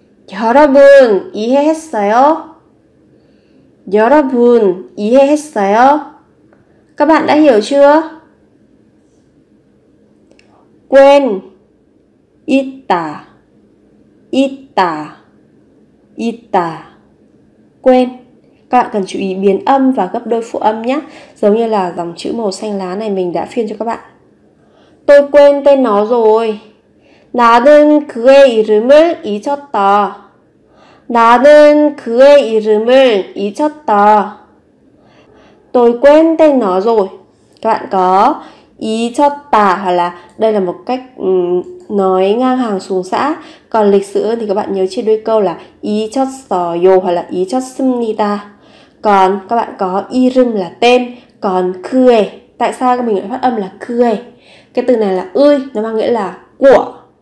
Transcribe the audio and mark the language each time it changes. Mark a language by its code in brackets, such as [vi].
[ko] 여러분 이해했어요? 여러분 이해했어요? [vi] Các bạn đã hiểu chưa? Quên [ko] 있다 있다 있다 [vi] quên. Các bạn cần chú ý biến âm và gấp đôi phụ âm nhé. Giống như là dòng chữ màu xanh lá này mình đã phiên cho các bạn. Tôi quên tên nó rồi. [ko] 나는 그의 이름을 잊었다. 나는 그의 이름을 잊었다. [vi] Tôi quên tên nó rồi. Các bạn có 잊었다 hoặc là đây là một cách nói ngang hàng xuống xã. Còn lịch sự thì các bạn nhớ chia đôi câu là 잊었어요 hoặc là 잊었습니다. Còn các bạn có 이름 là tên, còn 그에, tại sao mình lại phát âm là 그에? Cái từ này là 의, nó mang nghĩa là của.